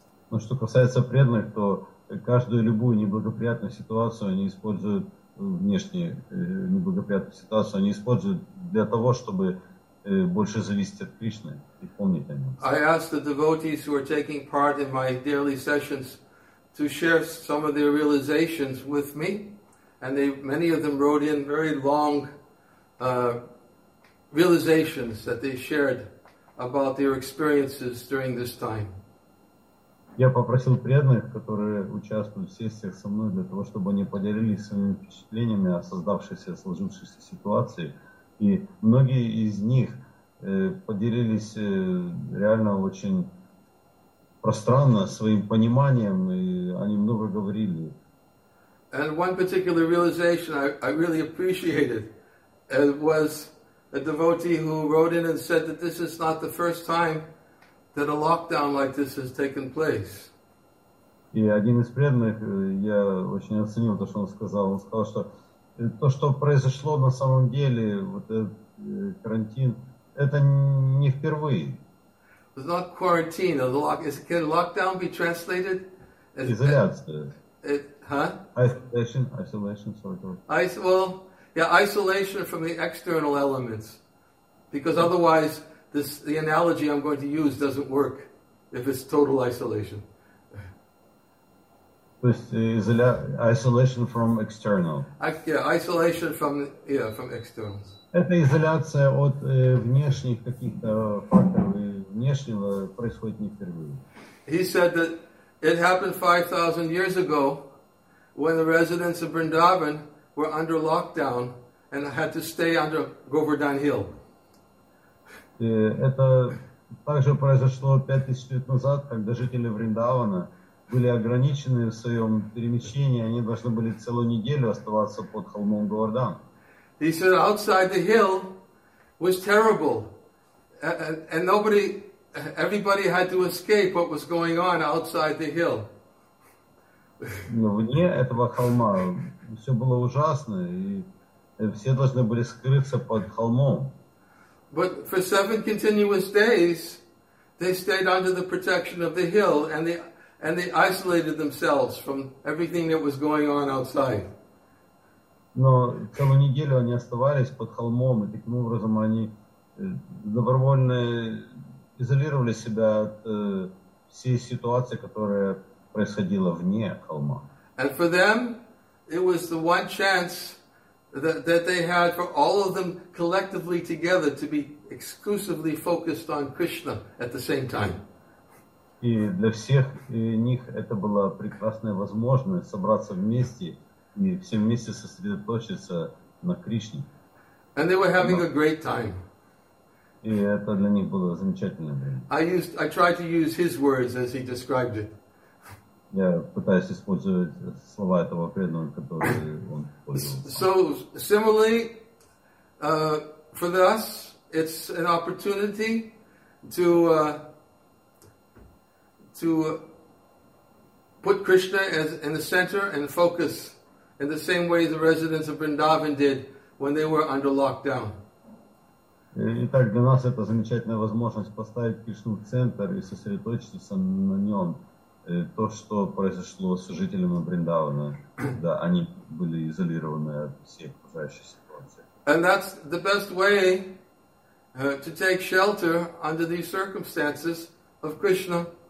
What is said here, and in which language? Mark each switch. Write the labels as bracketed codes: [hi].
[ru] Но что касается преданных, то каждую любую неблагоприятную ситуацию они используют внешние неблагоприятные ситуации они используют для того, чтобы больше зависеть от Кришны и помнить о нем. [en] I ask the devotees who are taking part in my daily sessions to share some of their realizations with me, and many of them wrote in very long realizations that they shared about their experiences during this time. [ru] Я попросил преданных, которые участвуют в сессиях со мной, для того, чтобы они поделились своими впечатлениями о сложившейся ситуации. И многие из них поделились реально очень пространно своим пониманием, и они много говорили. [en] And one particular realization I really appreciated was a devotee who wrote in and said that this is not the first time that a lockdown like this has taken place. [ru] И один из преданных, я очень оценил то, что он сказал. Он сказал, что то, что произошло на самом деле, вот этот карантин, это не впервые. [en] It's not quarantine. Can lockdown be translated? [ru] Изоляция. [en] Isolation. Isolation, sort of. Isolation from the external elements. Because otherwise, the analogy I'm going to use doesn't work if it's total isolation. Isolation from external. Isolation from externals. [ru] Это изоляция от внешних каких-то факторов и внешнего происходит не впервые. [en] He said that it happened 5,000 years ago when the residents of Vrindavan were under lockdown and had to stay under Govardhan Hill. [ru] Это также произошло 5000 лет назад, когда жители Вриндавана были ограничены в своем перемещении, они должны были целую неделю оставаться под холмом Говардан. [en] He said outside the hill was terrible, and everybody had to escape what was going on outside the hill. [ru] Но вне этого холма все было ужасно, и все должны были скрыться под холмом. [en] But for 7 continuous days, they stayed under the protection of the hill, and they isolated themselves from everything that was going on outside. [ru] Но целую неделю они оставались под холмом, и таким образом они добровольно изолировали себя от всей ситуации, которая происходила вне холма. [en] And for them, it was the one chance that they had for all of them collectively together to be exclusively focused on Krishna at the same time. [ru] И для всех них это была прекрасная возможность собраться вместе и все вместе сосредоточиться на Кришне. [en] And they were having a great time. [ru] И это для них было замечательное время. [en] I tried to use his words as he described it. [ru] Я пытаюсь использовать слова этого преданного, которые он использовал. [en] So similarly, for us, it's an opportunity to put Krishna as in the center and focus in the same way the residents of Vrindavan did when they were under lockdown. [ru] Итак, для нас это замечательная возможность поставить Кришну в центр и сосредоточиться на нем. То, что произошло с жителями Вриндавана, когда они были изолированы от всей окружающей ситуации. [en] And that's the best way to take shelter under these circumstances of Krishna.